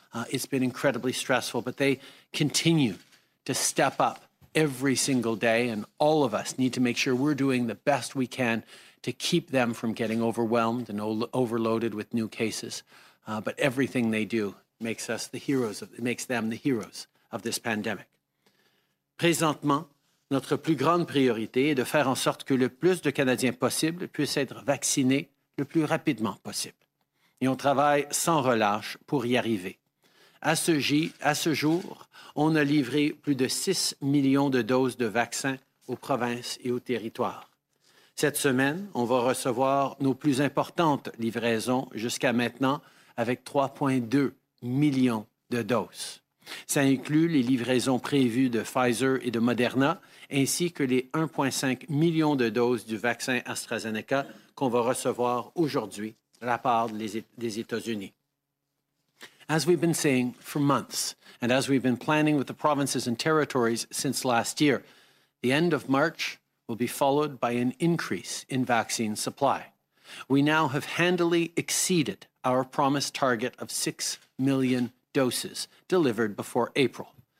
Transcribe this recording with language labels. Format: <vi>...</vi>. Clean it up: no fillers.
<en>It's been incredibly stressful, but they continue to step up every single day, and all of us need to make sure we're doing the best we can to keep them from getting overwhelmed and overloaded with new cases. But everything they do makes them the heroes of this pandemic.</en> <fr>Présentement, notre plus grande priorité est de faire en sorte que le plus de Canadiens possible puissent être vaccinés le plus rapidement possible. Et on travaille sans relâche pour y arriver. À ce jour, on a livré plus de 6 millions de doses de vaccins aux provinces et aux territoires. Cette semaine, on va recevoir nos plus importantes livraisons jusqu'à maintenant avec 3,2 millions de doses. Ça inclut les livraisons prévues de Pfizer et de Moderna, ainsi que les 1,5 million de doses du vaccin AstraZeneca qu'on va recevoir aujourd'hui de la part des États-Unis.</fr> <en>As we've been saying for months, and as we've been planning with the provinces and territories since last year, the end of March will be followed by an increase in vaccine supply. We now have handily exceeded our promised target of 6 million doses delivered before April.</en>